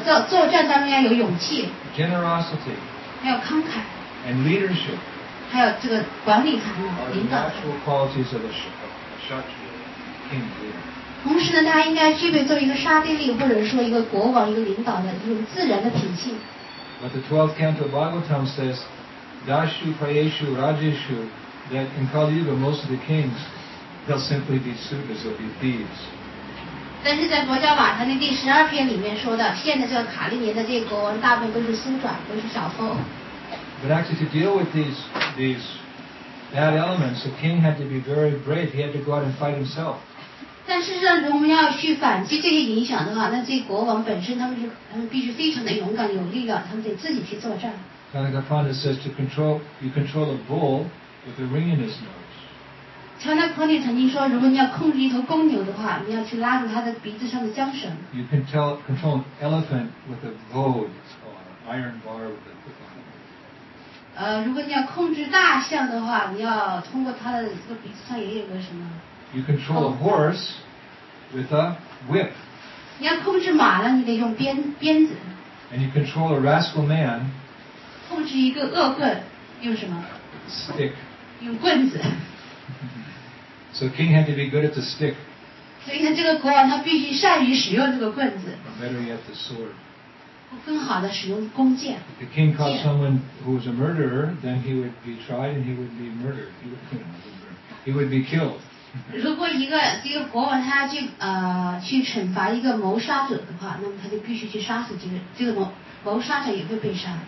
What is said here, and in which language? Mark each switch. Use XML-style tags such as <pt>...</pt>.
<zh>作战当中要有勇气。</zh> <en>Generosity。</en> <zh>还有慷慨。</zh> <en>And leadership。</en> <zh>还有这个管理层领导。</zh> <en>Natural qualities of a Kshatriya king.</en> <zh>同时呢，他应该具备做一个沙地利或者说一个国王、一个领导的一种自然的品性。</zh> <en>But the 12th canto of Bhagavatam says, Dashu, Payeshu, Rajeshu, that in Kali Yuga most of the kings, they'll simply be suitors, they'll be thieves.</en> <zh>但是在佛教瓦他的第十二篇里面说的，现在这个卡利年的这些国王大部分都是苏转，都是小偷。</zh> <en>But actually to deal with these bad elements, the king had to be very brave. He had to go out and fight himself.</en> <zh>但事实上，如果我们要去反击这些影响的话，那这些国王本身他们必须非常的勇敢、有力量，他们得自己去作战。</zh> <en>Chanakapanda says to control a bull with a ring in his nose.</en> <zh>Chanakapanda 曾经说，如果你要控制一头公牛的话，你要去拉住他的鼻子上的缰绳。</zh> <en>You can control an elephant with a goad or an iron bar with a hook on it.</en> <zh>如果你要控制大象的话，你要通过它的这个鼻子上也有个什么</zh> <en>？You control a horse with a whip.</en> <zh>你要控制马了，你得用鞭子。</zh> <en>And you control a rascal man.</en> <zh>控制一个恶棍用什么</zh> <en>？Stick.</en> <zh>用棍子。</zh> <en>So king had to be good at the stick.</en> <zh>所以呢，这个国王他必须善于使用这个棍子。</zh> <en>Or better yet, the sword.</en> <zh>更好的使用弓箭。</zh> <en>The king caught someone who was a murderer, then he would be tried and he would be murdered. He would be killed. 如果一个这个国王他要去去惩罚一个谋杀者的话，那么他就必须去杀死这个谋杀者也会被杀。</en>